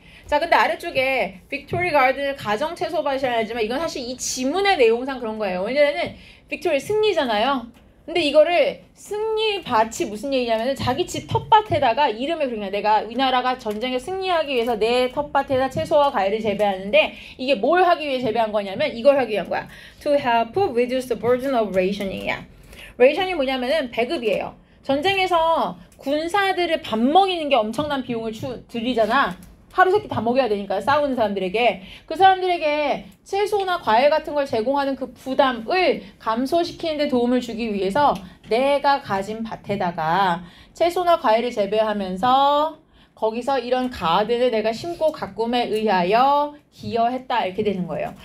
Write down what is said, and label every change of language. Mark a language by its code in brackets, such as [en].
[ko] 자, 근데 아래쪽에 빅토리 가든을 가정 채소밭이라 하지만 이건 사실 이 지문의 내용상 그런 거예요. 왜냐면은 빅토리 승리잖아요. 근데 이거를 승리밭이 무슨 얘기냐면은 자기 집 텃밭에다가 이름을 그냥 내가 이 나라가 전쟁에 승리하기 위해서 내 텃밭에다 채소와 과일을 재배하는데 이게 뭘 하기 위해 재배한 거냐면 이걸 하기 위한 거야. [en] To help reduce the burden of rationing이야. [ko] 레이션이 뭐냐면은 배급이에요. 전쟁에서 군사들을 밥 먹이는 게 엄청난 비용을 들이잖아. 하루 세끼 다 먹여야 되니까 싸우는 사람들에게. 그 사람들에게 채소나 과일 같은 걸 제공하는 그 부담을 감소시키는 데 도움을 주기 위해서 내가 가진 밭에다가 채소나 과일을 재배하면서 거기서 이런 가든을 내가 심고 가꿈에 의하여 기여했다 이렇게 되는 거예요.